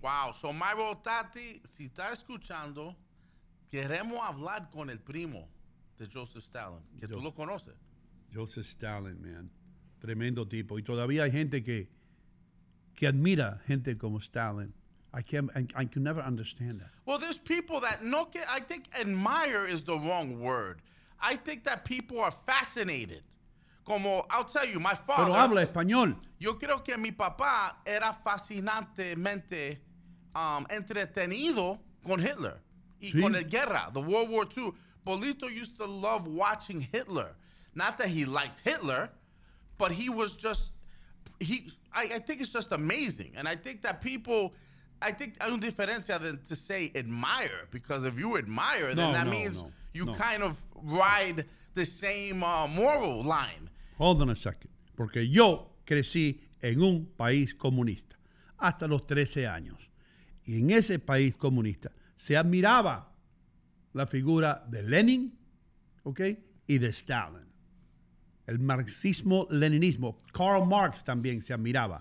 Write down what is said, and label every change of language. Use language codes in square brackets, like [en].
[es] Wow, so Myro Otati, si está escuchando, queremos hablar con el primo de Joseph Stalin, que tú lo conoces. Joseph Stalin, man. Tremendo tipo. Y todavía hay gente que admira gente como Stalin. [en] I can never understand that. Well, there's people that I think admire is the wrong word. I think that people are fascinated. Como, I'll tell you, my father. [es] Pero habla español. Yo creo que mi papá era fascinantemente entretenido con Hitler y sí. con la guerra, [en] the World War II. Bolito used to love watching Hitler. Not that he liked Hitler, but he was just, I think it's just amazing. And I think that people, I think [es] hay una diferencia [en] than to say admire, because if you admire, then that means you kind of ride the same moral line. Hold on a second. [es] Porque yo crecí en un país comunista hasta los 13 años. Y en ese país comunista se admiraba la figura de Lenin, okay, y de Stalin. El marxismo-leninismo. Karl Marx también se admiraba.